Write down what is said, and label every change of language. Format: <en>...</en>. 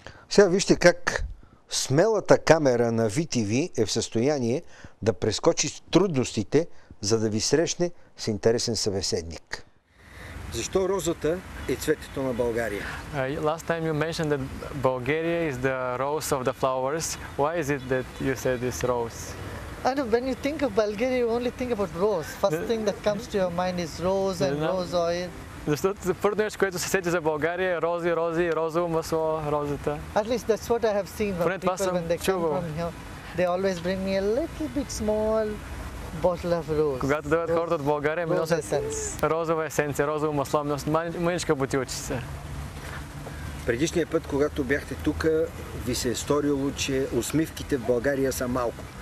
<bg>Сега вижте как смелата камера на VTV е в състояние да прескочи трудностите, за да ви срещне с интересен събеседник. Защо розата е цветето на България?</bg> <en>Last time you mentioned that Bulgaria is the rose of the flowers. Why is it that you said this rose? I know, when you think of Bulgaria, you only think about rose. First thing that comes to your mind is rose and rose oil.</en> <bg>Защото първото нещо, което се сети за България е рози, рози, розово масло, розата.</bg> <en>At least that's what I have seen when people when they come from here. They always bring me a little bit small bottle of rose.</en> <bg>Когато дойдат хората от България, ми носят розова есенция, розово масло, ми носят маничка бутилчица. Предишния път, когато бяхте тук, ви се е сторило, че усмивките в България са малко.</bg>